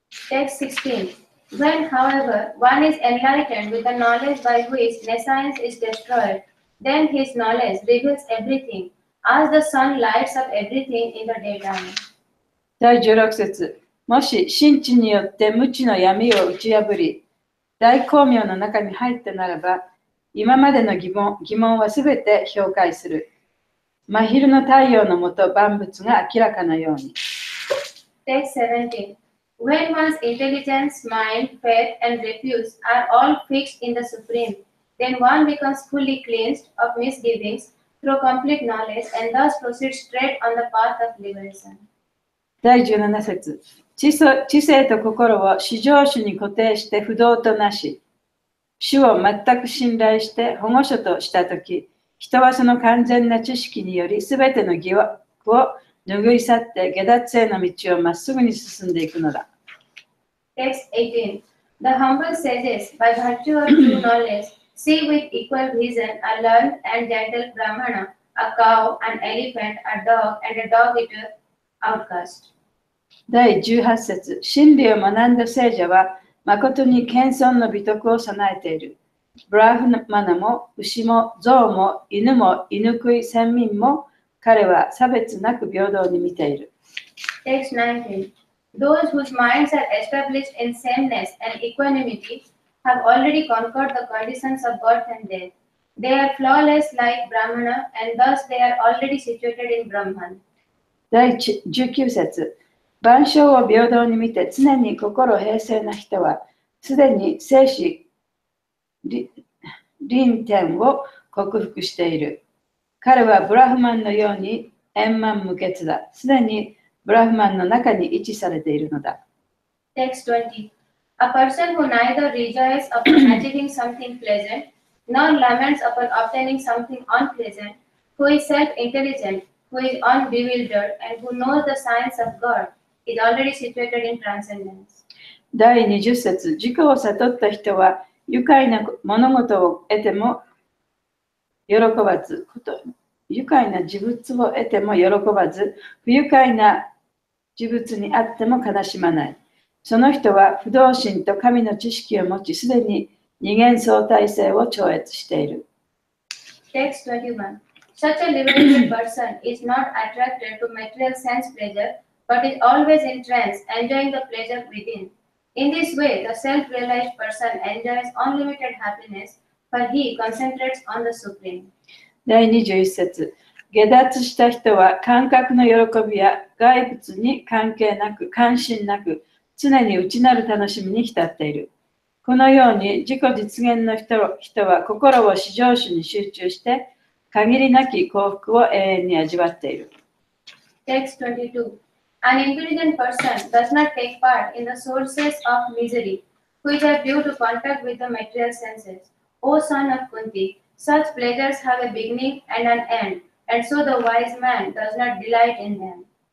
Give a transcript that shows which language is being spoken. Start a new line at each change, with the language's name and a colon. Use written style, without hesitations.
English: Text 16. When, however, one is enlightened with the knowledge by which nescience is destroyed,Then his knowledge reveals everything, as the sun lights up everything in the daytime.
Japanese: 第16節、もし真知によって無知の闇を打ち破り、大光明の中に入ったならば、今までの疑問はすべて氷解する。真昼の太陽のもと万物が明らかなように。
English: Text 17. When one's intelligence, mind, faith, and refuse are all fixed in the Supreme,Then one becomes fully cleansed of misgivings through complete knowledge and thus proceeds straight on the path of liberation.
Japanese: 第17節、知性と心を至上主に固定して不動となし、主を全く信頼して保護者としたとき、人はその完全な知識によりすべての疑惑を拭い去って下脱への道をまっすぐに進んでいくのだ。
English: Text 18. The humble sages, by virtue of true knowledge,See with equal reason a learned and gentle Brahmana, a cow, an elephant, a dog, and a dog-eater outcast.
Japanese: 第18節、真理を学んだ聖者は、誠に謙遜の美徳を備えている。ブラフマナも、牛も、象も、犬も、犬食い、先民も、彼は差別なく平等に見ている。
English: Text 19. Those whose minds are established in sameness and equanimity,Have already conquered the conditions of birth and death. They are flawless like Brahmana, and thus they are already situated in Brahman.
Japanese: 第19節、万象を平等に見て常に心平静な人は、すでに生死輪転を克服している。彼はブラフマンのように円満無欠だ。すでにブラフマンの中に位置されているのだ。
English: Text 20. A person who neither rejoices upon achieving something pleasant, nor laments upon obtaining something unpleasant, who is self-intelligent, who is unbewildered, and who knows the science of God, is already situated in transcendence.
Japanese: 第20節、自己を悟った人は、愉快な物事を得ても喜ばず、愉快な事物を得ても喜ばず、不愉快な事物にあっても悲しまない。その人は不動心と神の知識を持ち、すでに二元相対性を超越している。
English: Text 21. Such a liberated person is not attracted to material sense pleasure, but is always entranced, enjoying the pleasure within. In this way, the self-realized person enjoys unlimited happiness, for he concentrates on the Supreme.
Japanese: 第21節。下脱した人は感覚の喜びや外物に関係なく、関心なく、常に内なる楽しみに浸っている。このように自己実現の人は心を至上主に集中して限りなき幸福を永遠に味わっている。
English: Text 22. An intelligent person does not take part in the sources of misery, which are due to contact with the material senses. O son of Kunti, such pleasures have a beginning and an end, and so the wise man does not delight in them.